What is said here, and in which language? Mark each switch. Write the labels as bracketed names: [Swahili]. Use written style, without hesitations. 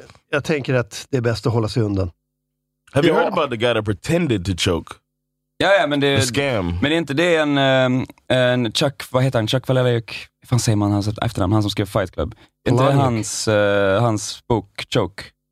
[Swedish] Jag tänker att det är bäst att hålla sig undan. [English] Have you heard about the guy that pretended to choke? [Swedish] Ja, men det är, inte det är en Chuck, vad heter han? Chuck Valeriuk. Fan, säger man hans efternamn, han som skrev Fight Club. Är inte det hans bok Choke?